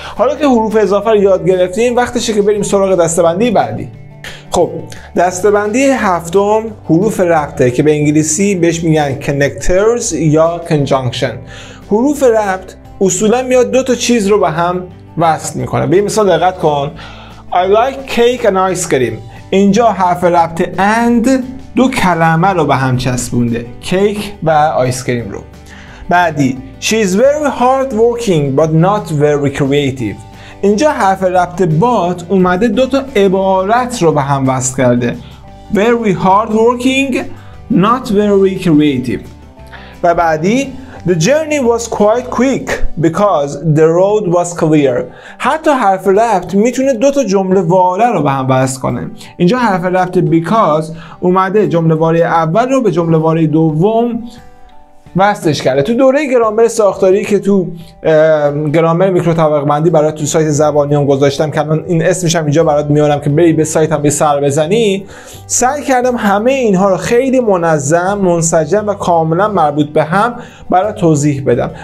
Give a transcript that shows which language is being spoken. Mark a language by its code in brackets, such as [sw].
[fa] حالا که حروف اضافه رو یاد گرفتیم، وقتشه که بریم سراغ دستبندی بعدی. خب دستبندی هفتم حروف ربطه که به انگلیسی بهش میگن connectors یا conjunction. حروف ربط اصولا میاد دو تا چیز رو به هم وصل میکنه. به این مثال دقت کن: [en] I like cake and ice cream. [fa] اینجا حرف ربط and دو کلمه رو به هم چسبونده، cake و ice cream رو. بعدی: [en] She is very hard working but not very creative. [fa] اینجا حرف ربط but اومده دو تا عبارت رو به هم وصل کرده، [en] very hard working not very creative. [fa] و بعدی: [en] The journey was quite quick because the road was clear. [fa] حتی حرف ربط میتونه دو تا جمله واره رو به هم وصل کنه. اینجا حرف ربط because اومده جمله واره اول رو به جمله واره دوم وصلش کرده. تو دوره گرامر ساختاری که تو گرامر میکرو طبقه بندی برای تو سایت زبانیام گذاشتم، که الان این اسمش هم اینجا برات میارم که بری به سایتم یه سر بزنی، سعی کردم همه اینها رو خیلی منظم، منسجم و کاملا مربوط به هم برات توضیح بدم.